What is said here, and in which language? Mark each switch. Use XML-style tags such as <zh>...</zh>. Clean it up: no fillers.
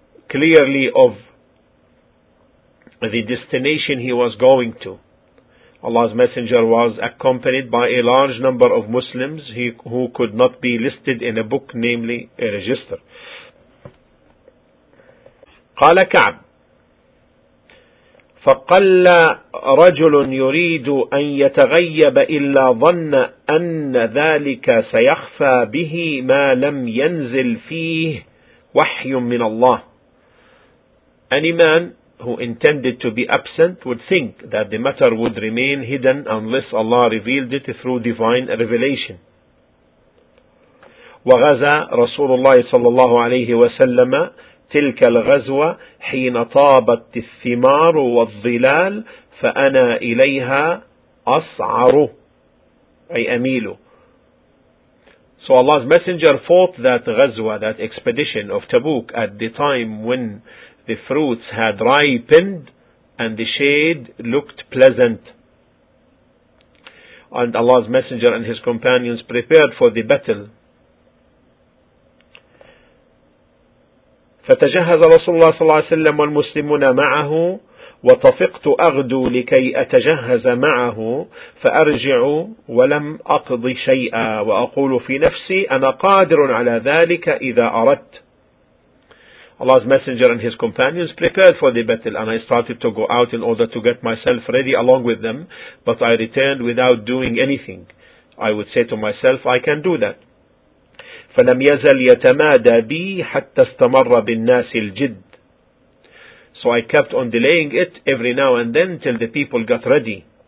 <en>clearly of the destination he was going to. Allah's Messenger was accompanied by a large number of Muslims who could not be listed in a book, namely a register.</en> <ar>قال كعب فقل رجل يريد أن يتغيب إلا ظن أن ذلك سيخفى به ما لم ينزل فيه وحي من الله.</ar> <en>Any man who intended to be absent would think that the matter would remain hidden unless Allah revealed it through divine revelation.</en> <ar>وغزى رسول الله صلى الله عليه وسلم تلك الغزوة حين طابت الثمار والظلال فأنا إليها أصعر أي أميل.</ar> <en>So Allah's Messenger fought that غزوة, that expedition of Tabuk, at the time when the fruits had ripened and the shade looked pleasant. And Allah's Messenger and his companions prepared for the battle.</en> <ar>فتجهز رسول الله صلى الله عليه وسلم والمسلمون معه وطفقت أغدو لكي أتجهز معه فأرجع ولم أقض شيئا وأقول في نفسي أنا قادر على ذلك إذا أردت.</ar> <en>Allah's Messenger and his companions prepared for the battle, and I started to go out in order to get myself ready along with them, but I returned without doing anything. I would say to myself, I can do that.</en> <ar>فَلَمْ يَزَلْ يَتَمَادَى بِي حَتَّى اسْتَمَرَّ بِالنَّاسِ الْجِدِّ.</ar> <en>So I kept on delaying it every now and then till the people got ready.</en>